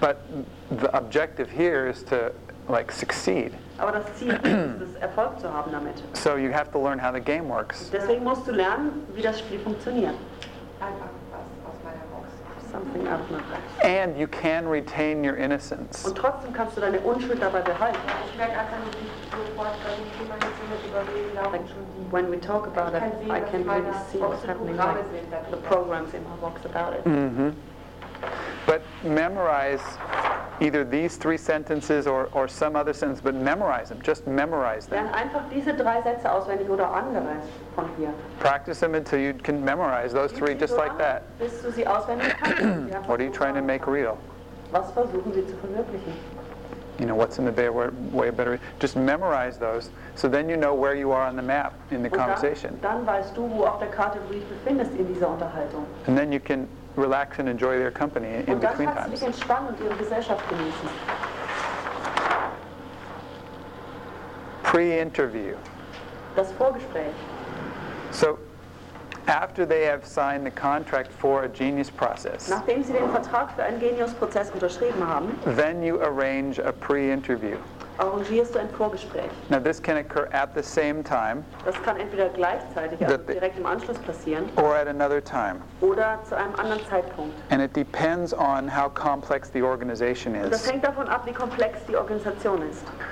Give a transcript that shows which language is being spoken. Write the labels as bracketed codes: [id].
[en] But the objective here is to like succeed. [de] Aber das Ziel ist es, Erfolg zu haben damit. [en] So you have to learn how the game works. [de] Deswegen musst du lernen, wie das Spiel funktioniert. Einfach was aus meiner Box. [en] something [de] abmache. [en] And you can retain your innocence. [de] Und trotzdem kannst du deine Unschuld dabei behalten. Ich merke einfach, wenn ich jemanden zuhöre, überlege ich auch schon die. [en] When we talk about it, I can really see what's happening. Like the programs in my box about it. Mm-hmm. But memorize either these three sentences or some other sentence, but memorize them. Just memorize them. [de] Lern einfach diese drei Sätze auswendig oder andere von hier. [en] Practice them until you can memorize those three just like that. [de] Bis du sie auswendig kannst. [en] What are you trying to make real? [de] Was versuchen sie zu verwirklichen? [en] You know, what's in the way of better? Just memorize those, so then you know where you are on the map in the [de] und [en] conversation. [de] Dann weißt du, wo auf der Karte du dich befindest in dieser Unterhaltung. [en] And then you can relax and enjoy their company in between times. [de] Und dann kannst du dich entspannen und ihre Gesellschaft genießen. [en] Pre-interview. [de] Das Vorgespräch. [en] So, after they have signed the contract for a genius process. [de] Nachdem sie den Vertrag für einen Genius-Prozess unterschrieben haben. [en] Then you arrange a pre-interview. [de] Arrangierst du ein Vorgespräch. [en] Now this can occur at the same time. [de] Das kann entweder gleichzeitig, also direkt im Anschluss passieren. [en] Or at another time. [de] Oder zu einem anderen Zeitpunkt. [en] And it depends on how complex the organization is. [de] Und das hängt davon ab, wie komplex die Organisation ist.